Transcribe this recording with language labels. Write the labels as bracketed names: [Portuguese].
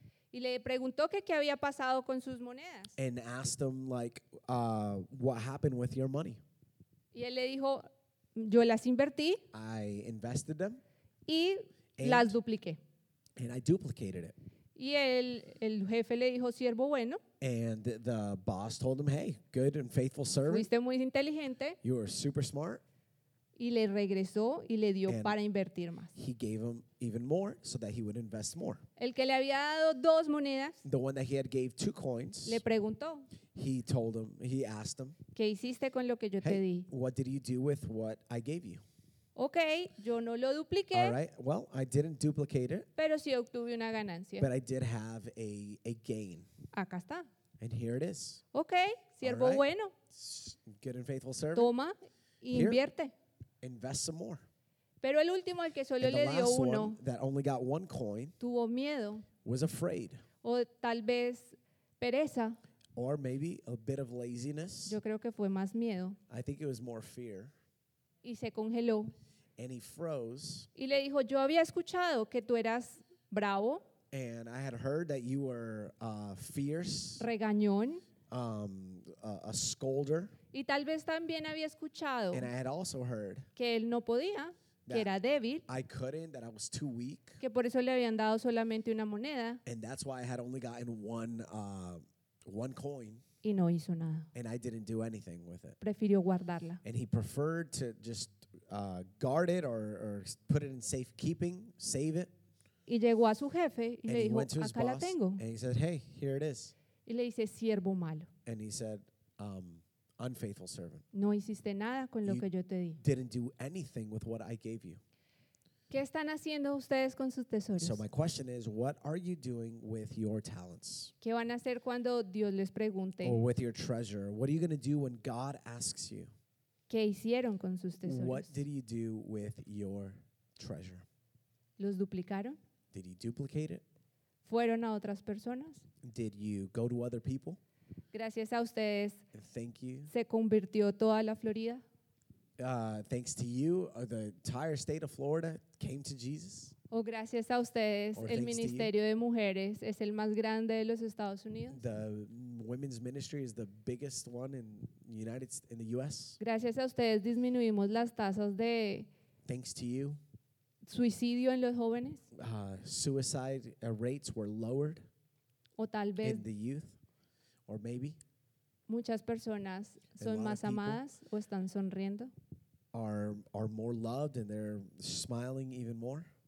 [Spanish] Y le preguntó que qué había pasado con sus monedas. [English] And asked him like, what happened with your money? [Spanish] Y él le dijo, yo las invertí. [English] I invested them. [Spanish] Y las dupliqué. [English] And I duplicated it. [Spanish] Y el jefe le dijo, siervo bueno. [English] And the boss told him, hey, good and faithful servant. [Spanish] Fuiste muy inteligente. [English] You were super smart. [Spanish] Y le regresó y le dio [English] and [Spanish] para invertir más. [English] He gave him even more so that he would invest more. [Spanish] El que le había dado dos monedas. [English] The one that he had gave two coins. [Spanish] Le preguntó. [English] He told him, he asked him. [Spanish] ¿Qué hiciste con lo que yo [English] hey, [Spanish] te di? [English] What did you do with what I gave you? [Spanish] Okay, yo no lo dupliqué. [English] All right, well, I didn't duplicate it. [Spanish] Pero sí obtuve una ganancia. [English] But I did have a gain. [Spanish] Acá está. [English] And here it is. [Spanish] Okay, siervo [English] right. [Spanish] Bueno. [English] Good and faithful servant. [Spanish] Toma, invierte. [English] Here. Invest some more. [Spanish] Pero el último, el que solo le dio uno, [English] that only got one coin, [Spanish] tuvo miedo, [English] was afraid, [Spanish] o tal vez pereza, [English] or maybe a bit of laziness. [Spanish] Yo creo que fue más miedo. [English] I think it was more fear. [Spanish] Y se congeló. [English] And he froze. [Spanish] Y le dijo, yo había escuchado que tú eras bravo. [English] And I had heard that you were fierce. [Spanish] Regañón. [English] A scolder. [Spanish] Y tal vez también había escuchado. [English] And I had also heard [Spanish] que él no podía, que era débil. [English] I couldn't, that I was too weak. [Spanish] Que por eso le habían dado solamente una moneda. [English] And that's why I had only gotten one one coin. [Spanish] Y no hizo nada. [English] And I didn't do anything with it. [Spanish] Prefirió guardarla. [English] And he preferred to just guard it or put it in safekeeping, save it. [Spanish] Y llegó a su jefe y le dijo, acá la tengo. [English] And he said, hey, here it is. [Spanish] Y le dice, siervo malo. [English] And he said, unfaithful servant. [Spanish] No hiciste nada con lo que yo te di. [English] Didn't do anything with what I gave you. [Spanish] ¿Qué están haciendo ustedes con sus tesoros? [English] So my question is, what are you doing with your talents? [Spanish] ¿Qué van a hacer cuando Dios les pregunte? [English] Or with your treasure. What are you going to do when God asks you? [Spanish] ¿Qué hicieron con sus tesoros? [English] What did you do with your treasure? [Spanish] ¿Los duplicaron? [English] Did you duplicate it? [Spanish] ¿Fueron a otras personas? [English] Did you go to other people? [Spanish] Gracias a ustedes. [English] And thank you. [Spanish] ¿Se convirtió toda la Florida? [English] Thanks to you, the entire state of Florida came to Jesus. [Spanish] O gracias a ustedes, el ministerio de mujeres es el más grande de los Estados Unidos. [English] The women's ministry is the biggest one in in the U.S. [Spanish] Gracias a ustedes disminuimos las tasas de. [English] Thanks to you. [Spanish] Suicidio en los jóvenes. [English] Suicide rates were lowered. [Spanish] O tal vez. [English] In the youth, or maybe. [Spanish] Muchas personas son más amadas o están sonriendo. [English] Are more loved and they're smiling even more.